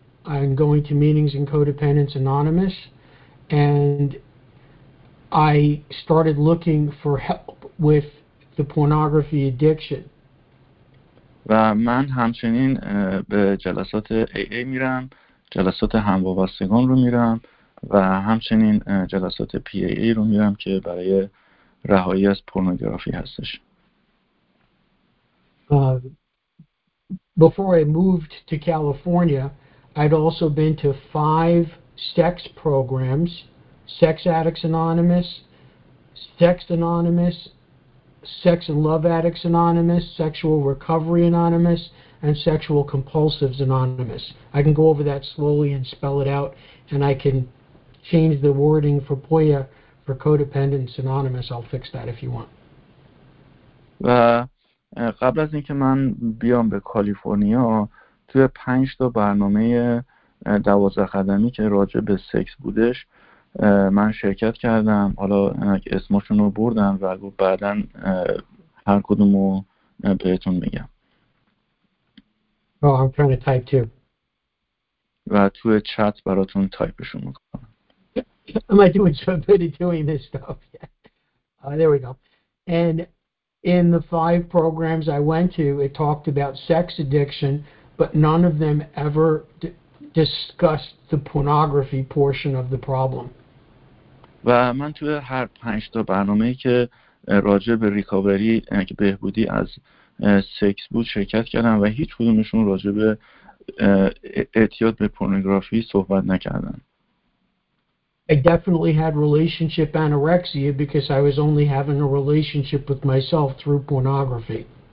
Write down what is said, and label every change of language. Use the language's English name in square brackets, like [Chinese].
[English] I'm going to meetings in Codependents Anonymous, and I started looking for help with the pornography addiction. [Persian] و من همچنین به جلسات AA میرم، جلسات هموابستگان رو میرم و همچنین جلسات PAA رو میرم که برای رهایی از پورنوگرافی هستش. [English] Before I moved to California, I'd also been to 5 sex programs: Sex Addicts Anonymous, Sex Anonymous, Sex and Love Addicts Anonymous, Sexual Recovery Anonymous, and Sexual Compulsives Anonymous. I can go over that slowly and spell it out, and I can change the wording for POYA for Codependents Anonymous. I'll fix that if you want. [Persian] قبل از اینکه من بیام به کالیفرنیا، توی 5 تا برنامه 12 قدمی که راجع به سکس بودش من شرکت کردم. حالا اسمشون رو بردم و بعدا هر کدوم رو بهتون میگم. [English] Oh, I'm trying to type too. [Persian] و توی چت براتون تایپشون میکنم. [English] Am I doing so good at doing this stuff? There we go. And in the 5 programs I went to, it talked about sex addiction, but none of them ever discussed the pornography portion of the problem. [Persian] و من توی هر 5 تا برنامه‌ای که راجع به ریکاوری بهبودی از سکس بود شرکت کردم و هیچ کدومشون راجع به اعتیاد به پورنوگرافی صحبت نکردن. [English] I definitely had relationship anorexia because I was only having a relationship with myself through pornography.